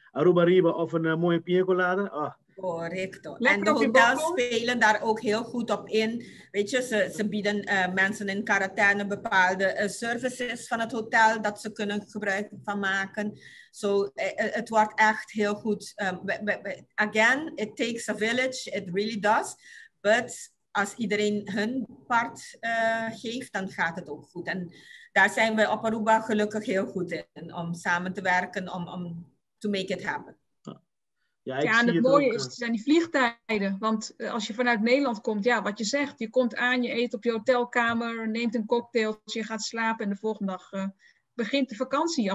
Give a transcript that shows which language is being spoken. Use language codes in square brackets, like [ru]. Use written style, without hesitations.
[nl] Aruba Riba of een mooie pina colada. Oh. [es] Correcto. [nl] Lekker, en de hotels spelen daar ook heel goed op in. Weet je, ze bieden mensen in quarantaine bepaalde services van het hotel dat ze kunnen gebruik van maken. So, het wordt echt heel goed. [en] Again, it takes a village, it really does. [nl] But als iedereen hun part geeft, dan gaat het ook goed. En daar zijn we op Aruba gelukkig heel goed in, om samen te werken, om to make it happen. Ja, en het mooie is, zijn die vliegtijden. Want als je vanuit Nederland komt, ja, wat je zegt, je komt aan, je eet op je hotelkamer, neemt een cocktail, je gaat slapen en de volgende dag begint de vakantie.